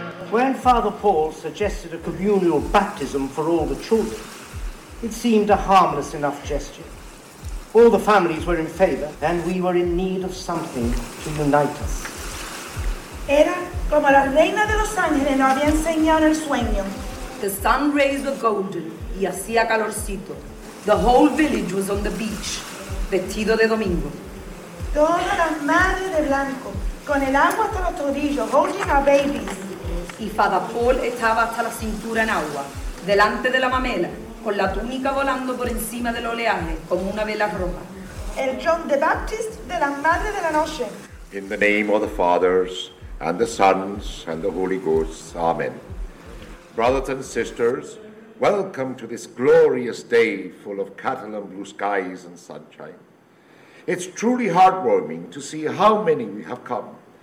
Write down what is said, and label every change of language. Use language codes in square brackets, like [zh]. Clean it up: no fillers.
[en] When Father Paul suggested a communal baptism for all the children, it seemed a harmless enough gesture. All the families were in favour, and we were in need of something to unite us. [es] Era como la reina de los ángeles nos había enseñado en el sueño. [en] The sun rays were golden [es] y hacía calorcito. [en] The whole village was on the beach, [es] vestido de domingo. Todas las madres de blanco, con el agua hasta los tobillos, [en] holding our babies. [es] Y Father Paul estaba hasta la cintura en agua, delante de la mamela, con la túnica volando por encima del oleaje, como una vela roja. El John the Baptist de la Madre de la Noche. [en] In the name of the Fathers, and the Sons, and the Holy Ghosts, Amen. Brothers and sisters, welcome to this glorious day full of Catalan blue skies and sunshine. It's truly heartwarming to see how many we have come.